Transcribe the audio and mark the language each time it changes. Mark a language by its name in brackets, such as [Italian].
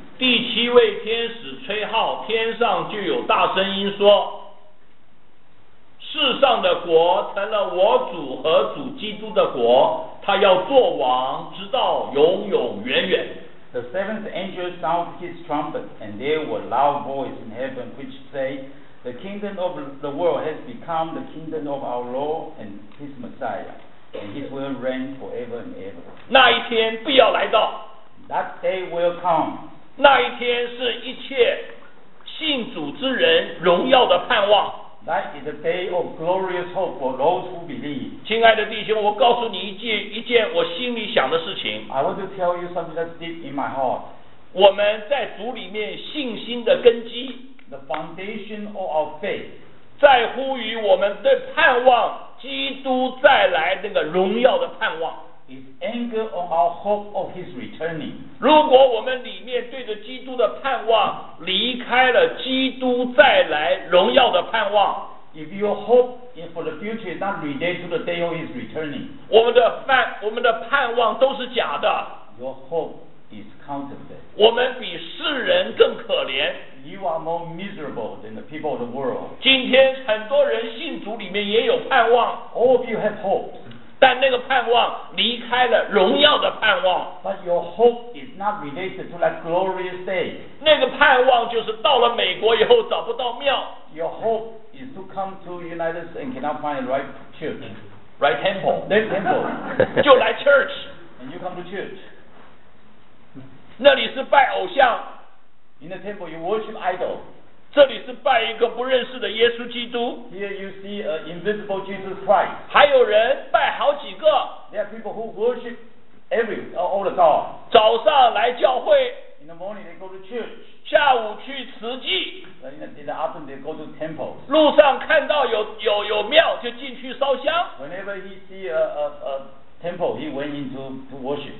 [Chinese] 第七位天使吹号，天上就有大声音说：世上的国成了我主和主基督的国，他要做王，直到永永远远。 [English] The seventh angel sounded his trumpet, and there was a loud voice in heaven which said, The kingdom of the world has become the kingdom of our Lord and his Messiah, and he will reign forever and ever. [Chinese] 那一天必要来到。 [English] That day will come. [Chinese] 那一天是一切信主之人荣耀的盼望。 [English] That is a day of glorious hope for those who believe. [Chinese] 亲爱的弟兄，我告诉你一件我心里想的事情。 [English] I want to tell you something that's deep in my heart. [Chinese] 我们在主里面信心的根基。 [English] The foundation of our faith. [Chinese] 在乎于我们对盼望基督再来那个荣耀的盼望。 [English] Is anchored on our hope of his returning. [Chinese] 如果我们里面对着基督的盼望离开了基督再来荣耀的盼望， [English] If your hope for the future is not related to the day of his returning, [Chinese] 我们的盼望都是假的。 [English] Your hope is counterfeit. [Chinese] 我们比世人更可怜。 [English] You are more miserable than the people of the world. [Chinese] 今天很多人信主里面也有盼望。 [English] All of you have hope. [Chinese] 但那个盼望离开了荣耀的盼望。 [English] But your hope is not related to that glorious day. [Chinese] 那个盼望就是到了美国以后找不到庙。 [English] Your hope is to come to United States and cannot find the right church, right temple, that temple. [Chinese] 就来 church. [English] And you come to church. [Chinese] 那里是拜偶像。 [English] In the temple you worship idol. [Chinese] 这里是拜一个不认识的耶稣基督。 [English] Here you see an invisible Jesus Christ. [Chinese] 还有人拜好几个。 [English] There are people who worship all the gods. [Chinese] 早上来教会。 [English] In the morning they go to church. [Chinese] 下午去慈济。 [English] In the afternoon they go to temples. [Chinese] 路上看到有庙就进去烧香。 [English] Whenever he see a temple, he went into to worship.